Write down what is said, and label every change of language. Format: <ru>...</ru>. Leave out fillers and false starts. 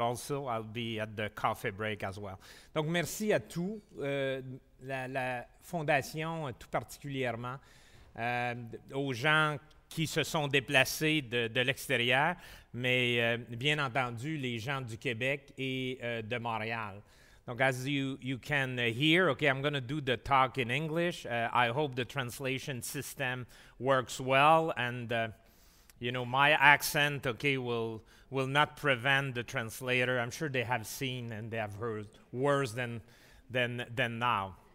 <en>Also, I'll be at the coffee break as well.</en> <fr>Donc merci à tous, la fondation tout particulièrement. Aux gens qui se sont déplacés de l'extérieur, mais bien entendu, les gens du Québec et de Montréal.</fr> <en>Donc, as you can hear, okay, I'm going to do the talk in English. I hope the translation system works well, and, you know, my accent, okay, will not prevent the translator. I'm sure they have seen and they have heard worse than now.</en>